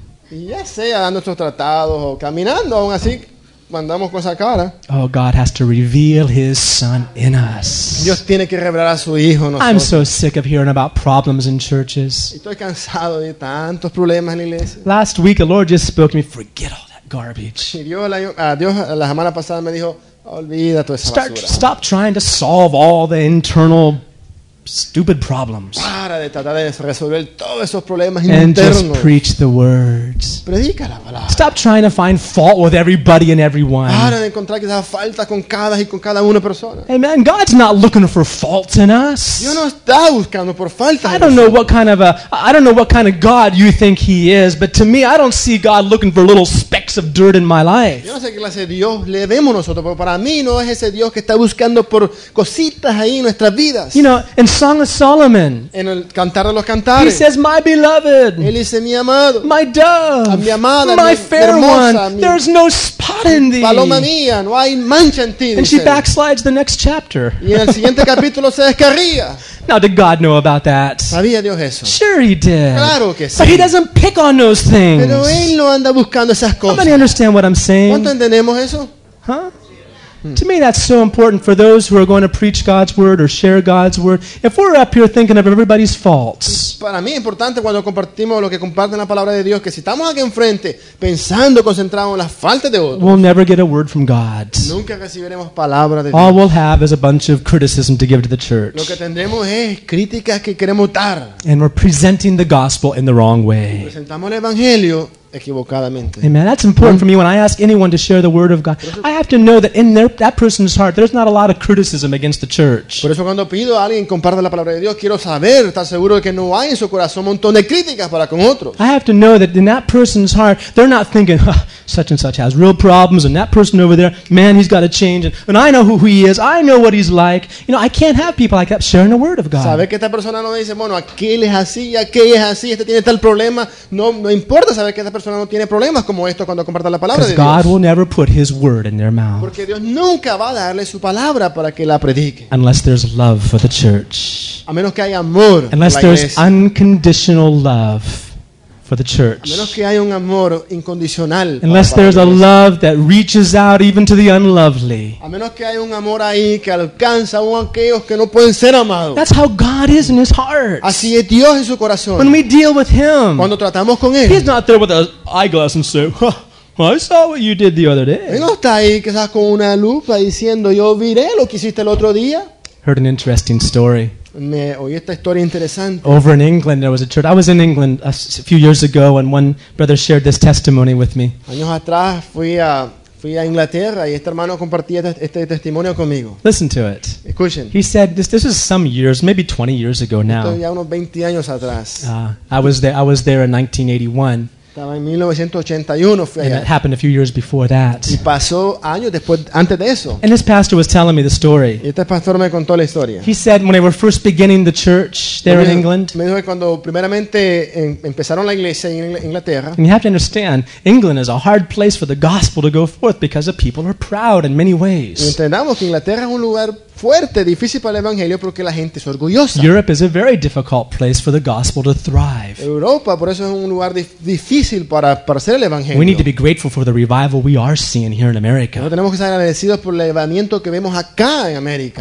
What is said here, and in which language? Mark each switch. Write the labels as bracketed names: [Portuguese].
[Spanish] Ya sea dando nuestros tratados o caminando, aún así mandamos con esa cara. [English] Oh, God has to reveal His Son in us. [Spanish] Dios tiene que revelar a su Hijo en nosotros. [English] I'm so sick of hearing about problems in churches. [Spanish] Estoy cansado de tantos problemas en la iglesia. [English] Last week, the Lord just spoke to me, forget all that. Garbage. [Spanish] Dios la semana pasada me dijo, olvida toda esa basura. [English] Stop trying to solve all the internal stupid problems. [Spanish] Para de tratar de resolver todos esos problemas internos. [English] And just preach the words. [Spanish] Predica la palabra. [English] Stop trying to find fault with everybody and everyone. [Spanish] Para de encontrar que haya falta con cada y con cada una persona. [English] Amen. God's not looking for faults in us. [Spanish] Dios no está buscando por faltas. [English] I don't know what kind of God you think He is, but to me, I don't see God looking for little specks of dirt in my life. [Spanish] Yo no sé qué clase de Dios le vemos nosotros, pero para mí no es ese Dios que está buscando por cositas ahí en nuestras vidas. [English] You know. In Song of Solomon, [Spanish] en el cantar de los cantares, [English] he says, "My beloved, [Spanish] él dice, mi amado, [English] my dove, [Spanish] a mi amada, [English] my fair [Spanish] hermosa, [English] one, [Spanish] mi, [English] there's no spot in thee." [Spanish] Paloma mía, no hay mancha en ti. [English] And she backslides the next chapter. [Spanish] Y en el siguiente capítulo se descarría. [English] Now, did God know about that? [Spanish] ¿Sabía Dios eso? [English] Sure, He did. [Spanish] Claro que sí. [English] But He doesn't pick on those things. [Spanish] Pero él no anda buscando esas cosas. [English] How many understand what I'm saying? [Spanish] ¿Cuánto entendemos eso? Huh? [English] To me, that's so important for those who are going to preach God's word or share God's word. If we're up here thinking of everybody's faults. [Spanish] Para mí es importante cuando compartimos lo que comparten la palabra de Dios que si estamos aquí enfrente pensando, concentrado en las faltas de otros. [English] We'll never get a word from God. [Spanish] Nunca recibiremos palabra de Dios. [English] All we'll have is a bunch of criticism to give to the church. [Spanish] Lo que tendremos es críticas que queremos dar. [English] And we're presenting the gospel in the wrong way. [Spanish] Presentamos el evangelio. Equivocadamente. [English] Amen. That's important for me when I ask anyone to share the word of God. I have to know that in that person's heart, there's not a lot of criticism against the church. [Spanish] Por eso cuando pido a alguien comparta la palabra de Dios, quiero saber, estar seguro de que no hay en su corazón un montón de críticas para con otros. [English] I have to know that in that person's heart, they're not thinking, oh, such and such has real problems, and that person over there, man, he's got to change. And I know who he is. I know what he's like. You know, I can't have people like that sharing the word of God. [Spanish] Saber que esta persona no dice, bueno, aquel es así, aquel es así, este tiene tal problema. No importa saber que esta persona no tiene problemas como esto cuando comparte la palabra de Dios. [English] God will never put his word in their mouth. [Spanish] Porque Dios nunca va a darle su palabra para que la predique. [English] Unless there's love for the church. [Spanish] A menos que haya amor por la iglesia. [English] Unless there's unconditional love for the church. [Spanish] A menos que haya un amor incondicional. [English] Unless there's a love that reaches out even to the unlovely. [Spanish] A menos que haya un amor ahí que alcanza a aquellos que no pueden ser amados. [English] That's how God is in His heart. [Spanish] Así es Dios en su corazón. [English] When we deal with Him. [Spanish] Cuando tratamos con él. [English] He's not there with an eyeglass and say, well, I saw what you did the other day. [Spanish] Él no está ahí quizás con una lupa diciendo, yo vi lo que hiciste el otro día. [English] Heard an interesting story. [Spanish] Me oí esta historia interesante. [English] Over in England, there was a church. I was in England a few years ago, and one brother shared this testimony with me. [Spanish] Años atrás fui a Inglaterra y este hermano compartía este testimonio conmigo. [English] Listen to it. [Spanish] Escuchen. [English] He said this is some years, maybe 20 years ago now. [Spanish] Esto ya unos 20 años atrás. [English] I was there in 1981. [Spanish] Estaba en 1981, fue allá. [English] And it happened a few years before that. [Spanish] Y pasó años después, antes de eso. [English] And this pastor was telling me the story. [Spanish] Y este pastor me contó la historia. [English] He said when they were first beginning the church there in England. [Spanish] Me dijo que cuando primeramente empezaron la iglesia en Inglaterra. [English] And you have to understand, England is a hard place for the gospel to go forth because the people are proud in many ways. [Spanish] Y entendamos que Inglaterra es un lugar fuerte, difícil para el evangelio porque la gente es orgullosa. [English] Europe is a very difficult place for the gospel to thrive. [Spanish] Europa, por eso es un lugar difícil para hacer el evangelio. [English] We need to be grateful for the revival we are seeing here in America. [Spanish] Pero tenemos que estar agradecidos por el levantamiento que vemos acá en América.